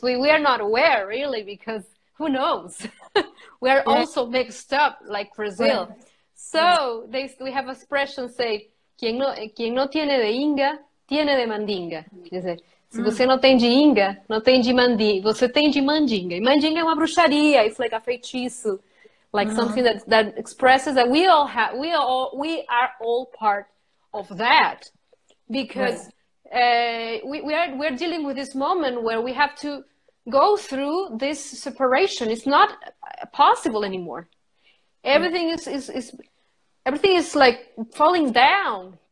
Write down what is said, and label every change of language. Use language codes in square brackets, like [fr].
[en] We are not aware really because who knows? We are also mixed up like Brazil. So we have expression say, [es] quem não tiene de inga, tiene de mandinga. [pt] Quer dizer, se você não tem de inga, não tem de mandinga. Você tem de mandinga. E mandinga é uma bruxaria. [en] It's like a feitiço. Like something that expresses that we all have. We are all part of that, because we're dealing with this moment where we have to go through this separation. It's not possible anymore. Everything is like falling down.